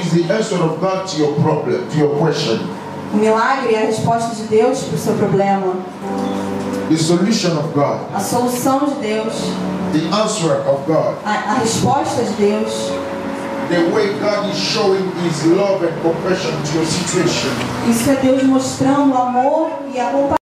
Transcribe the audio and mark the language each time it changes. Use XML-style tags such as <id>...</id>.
<en>The miracle is the answer of God to your problem, to your question.</en> <pt>O milagre é a resposta de Deus para o seu problema.</pt> <en>The solution of God.</en> <pt>A solução de Deus.</pt> <en>The answer of God.</en> <pt>A resposta de Deus.</pt> <en>The way God is showing His love and compassion to your situation.</en> <pt>Isso é Deus mostrando amor e a compaixão.</pt>